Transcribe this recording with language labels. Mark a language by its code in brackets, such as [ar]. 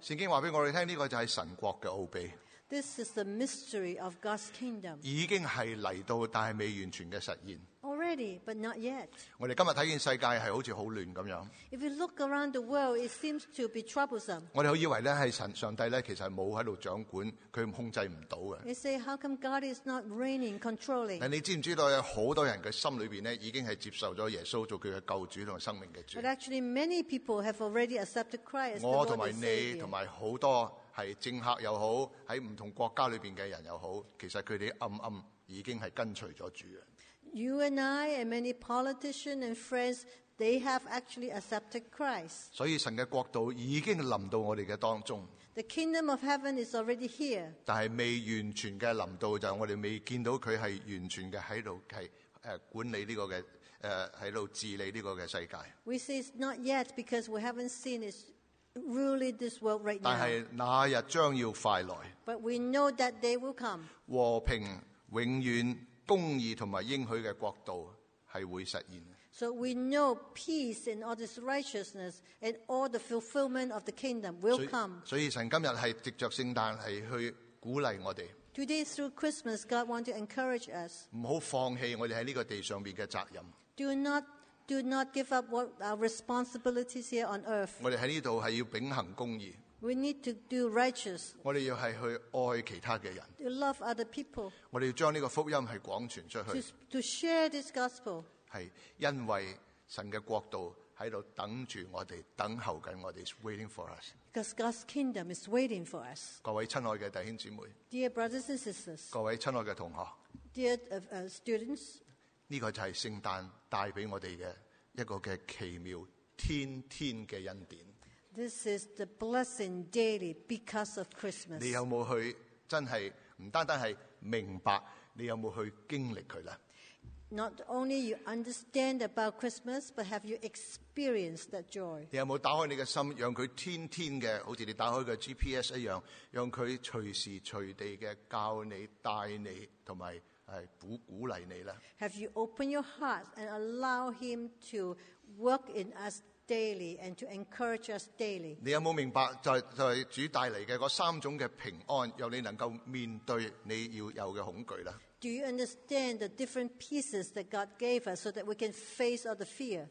[zh] 聖經話俾我哋聽，呢個就係神國嘅奧秘。 [en] This is the mystery of God's kingdom. [zh] 已經係嚟到，但係未完全嘅實現。 [en] Already, but not yet. [zh] 我哋今日睇見世界係好似好亂咁樣。 [en] If you look around the world, it seems to be troublesome. [zh] 我哋好以為咧係神上帝咧，其實冇喺度掌管，佢控制唔到嘅。 [en] You say, how come God is not reigning, controlling? [zh] 但你知唔知道有好多人嘅心裏邊咧，已經係接受咗耶穌做佢嘅救主同生命嘅主。 [en] But actually, many people have already accepted Christ. [zh] 我同埋你同埋好多係政客又好，喺唔同國家裏邊嘅人又好，其實佢哋暗暗已經係跟隨咗主。 [en] You and I and many politicians and friends, they have actually accepted Christ. [zh] 所以神嘅國度已經臨到我哋嘅當中。 [en] The kingdom of heaven is already here. [zh] 但係未完全嘅臨到，就係我哋未見到佢係完全嘅喺度係管理呢個嘅喺度治理呢個嘅世界。 [en] We say it's not yet because we haven't seen it. Rule this world right now. [zh] 但係那日將要快來。 [en] But we know that day will come. [zh] 和平、永遠、公義同埋應許嘅國度係會實現。 [en] So we know peace and all this righteousness and all the fulfillment of the kingdom will come. [zh] 所以神今日係藉著聖誕係去鼓勵我哋。 [en] Today through Christmas, God wants to encourage us. [zh] 唔好放棄我哋喺呢個地上邊嘅責任。 [en] Do not give up what our responsibilities here on earth. [zh] 我哋喺呢度系要秉行公义。 [en] We need to do righteous. [zh] 我哋要系去爱其他嘅人。 [en] To love other people. [zh] 我哋要将呢个福音系广传出去。 [en] To share this gospel. [zh] 系因为神嘅国度喺度等住我哋，等候紧我哋 ， [en] waiting for us. Because God's kingdom is waiting for us. [zh] 各位亲爱嘅弟兄姊妹。 [en] Dear brothers and sisters. [zh] 各位亲爱嘅同学。 [en] Dear students. [zh] 这个就是圣诞带给我们的一个的奇妙天天的恩典。 [en] This is the blessing daily because of Christmas. [zh] 你有没有去真的不单单是明白，你有没有去经历它呢？ [en] Not only you understand about Christmas, but have you experienced that joy? [zh] 你有没有打开你的心，让它天天的，好像你打开的 GPS 一样，让它随时随地的教你、带你，还有鼓励你呢？ [en] Have you opened your heart and allow him to work in us daily and to encourage us daily? [zh] 你有没有明白就是主带来的那三种的平安，让你能够面对你要有的恐惧呢？ [en] Do you understand the different pieces that God gave us so that we can face all the fear?